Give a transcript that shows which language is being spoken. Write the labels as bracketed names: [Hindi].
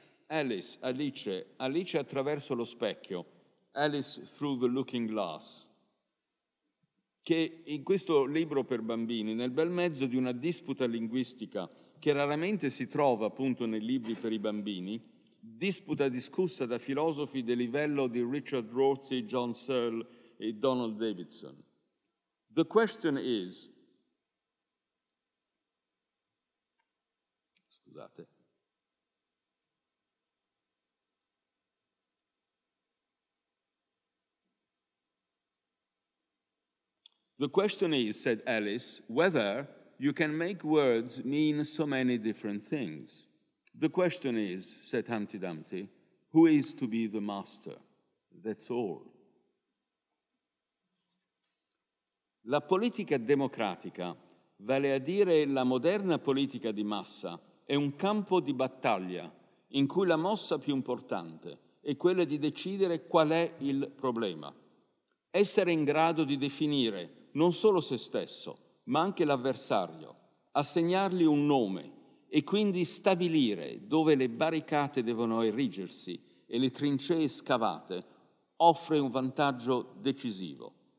[Italian] Alice, Alice, Alice attraverso lo specchio, Alice through the looking glass, che in questo libro per bambini, nel bel mezzo di una disputa linguistica che raramente si trova appunto nei libri per i bambini, disputa discussa da filosofi del livello di Richard Rorty, John Searle e Donald Davidson. [English] The question is, [Italian] scusate, [English] the question is, said Alice, whether you can make words mean so many different things. The question is, said Humpty Dumpty, who is to be the master? That's all. [Italian] La politica democratica, vale a dire la moderna politica di massa, è un campo di battaglia in cui la mossa più importante è quella di decidere qual è il problema. Essere in grado di definire non solo se stesso, ma anche l'avversario, assegnargli un nome e quindi stabilire dove le barricate devono erigersi e le trincee scavate, offre un vantaggio decisivo.